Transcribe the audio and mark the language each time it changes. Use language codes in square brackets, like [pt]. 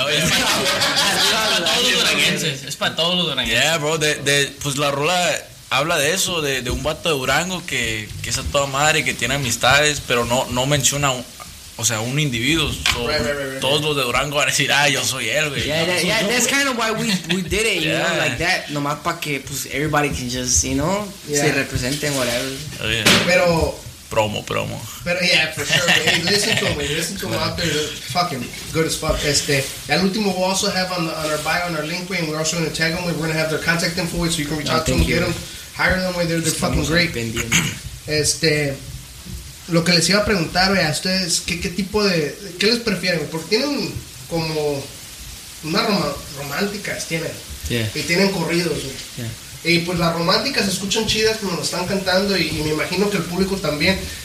[es] Es para todos los duranguenses. Es para todos los duranguenses. Yeah, bro. Pues la rola habla de eso, de un vato de Durango que es a toda madre, que tiene amistades, pero no menciona un. O sea, un individuo. Right. Todos los de Durango van a decir, ah, yo soy él, güey. [en] Yeah, that's kind of why we did it, you know, like that. [es] Nomás para que, pues, [en] everybody can just, you know, [es] se representen, whatever. Oh, yeah. Pero... Promo. [en] Pero, yeah, for sure. Hey, listen to him out there. They're fucking good as fuck. Este, [es] el último [en] we'll also have on our bio, on our link, and we're also going to tag them. We're going to have their contact info, so you can reach out to them, get them. Hire them, way they're fucking great. Este... [es] Lo que les iba a preguntar, a ustedes, ¿qué tipo de... ¿Qué les prefieren? Porque tienen como... Unas románticas tienen. Yeah. Y tienen corridos, güey. Yeah. Y pues las románticas se escuchan chidas cuando lo están cantando. Y me imagino que el público también.